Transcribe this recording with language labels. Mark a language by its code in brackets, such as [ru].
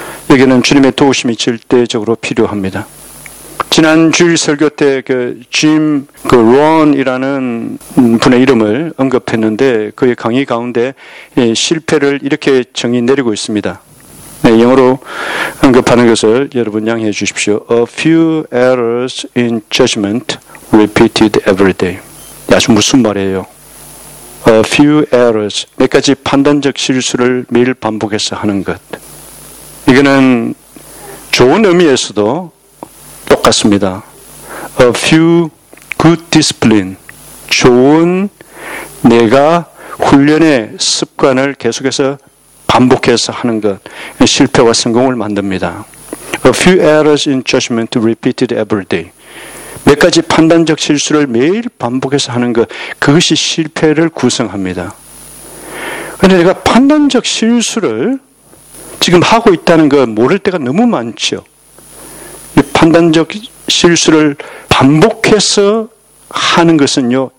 [ko] 여기는 주님의 도우심이 절대적으로 필요합니다. 지난 주일 설교 때 짐 론이라는 분의 이름을 언급했는데 그의 강의 가운데 실패를 이렇게 정의 내리고 있습니다. 네, 영어로 언급하는 것을 여러분 양해해 주십시오. [en] A few errors in judgment repeated every day. [ko] 야, 지금 무슨 말이에요? [en] A few errors. [ko] 몇 가지 판단적 실수를 매일 반복해서 하는 것. 이거는 좋은 의미에서도 똑같습니다. [en] A few good discipline. [ko] 좋은 내가 훈련의 습관을 계속해서 반복해서 하는 것. 실패와 성공을 만듭니다. [en] A few errors in judgment repeated every day. [ko] 몇 가지 판단적 실수를 매일 반복해서 하는 것. 그것이 실패를 구성합니다. 그런데 내가 판단적 실수를 지금 하고 있다는 것 모를 때가 너무 많죠. 이 판단적 실수를 반복해서 하는 것은요.